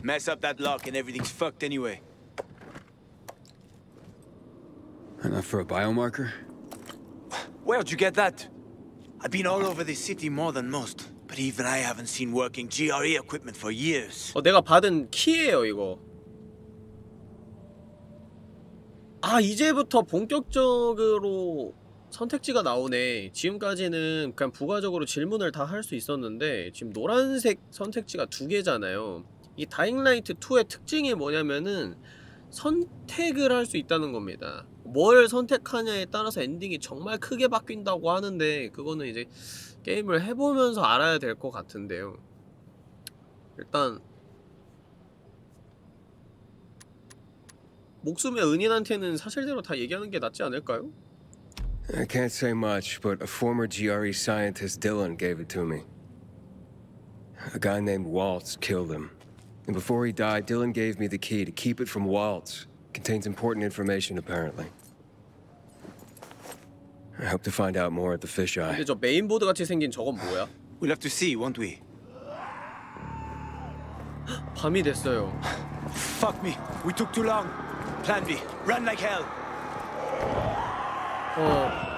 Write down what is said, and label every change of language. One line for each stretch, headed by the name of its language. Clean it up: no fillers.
English: Mess up that lock and everything's fucked anyway. Enough for a biomarker? Where'd you get that? I've been all over this city more than most, but even I haven't seen working GRE equipment for years.
Korean: 어 내가 받은 키예요 이거. 아 이제부터 본격적으로 선택지가 나오네. 지금까지는 그냥 부가적으로 질문을 다 할 수 있었는데 지금 노란색 선택지가 두 개잖아요. 이 다잉 라이트 2의 특징이 뭐냐면은 선택을 할 수 있다는 겁니다. 뭘 선택하냐에 따라서 엔딩이 정말 크게 바뀐다고 하는데 그거는 이제 게임을 해보면서 알아야 될 것 같은데요. 일단 목숨의 은인한테는 사실대로 다 얘기하는 게 낫지 않을까요?
English: I can't say much, but a former GRE scientist Dylan gave it to me. A guy named Waltz killed him. And before he died, Dylan gave me the key to keep it from Waltz. Contains important information, apparently. I hope to find out more at the fisheye.
Korean: 근데 저 메인보드 같이 생긴 저건 뭐야?
English: We'll have to see, won't we?
Korean: 밤이 됐어요.
English: Fuck me, we took too long. Plan B. Run like hell. 어.